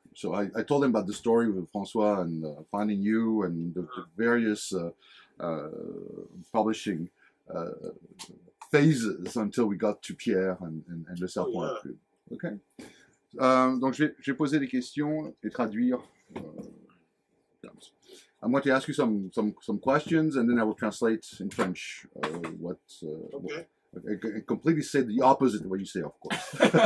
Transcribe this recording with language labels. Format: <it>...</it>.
<en>So I told him about the story with François and finding you and the various publishing phases until we got to Pierre and Le Serpent. Oh, yeah. Okay.</en> <fr>Donc je vais poser des questions et traduire.</fr> <en>I'm going to ask you some questions and then I will translate in French. Okay. I completely say the opposite of what you say, of course.</en>